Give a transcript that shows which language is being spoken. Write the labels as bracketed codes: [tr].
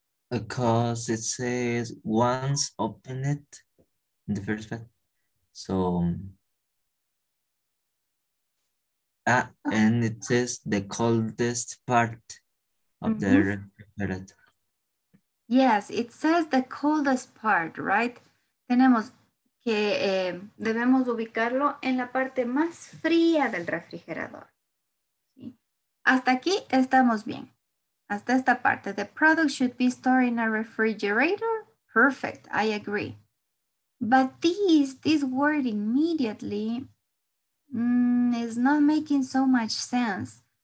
[en] Because it says once open it in the first part. So and it says the coldest part of the refrigerator. Yes, it says the coldest part, right? [es] Tenemos que debemos ubicarlo en la parte más fría del refrigerador. ¿Sí? Hasta aquí estamos bien. Hasta esta parte. [en] The product should be stored in a refrigerator. Perfect. I agree. But this word immediately is not making so much sense.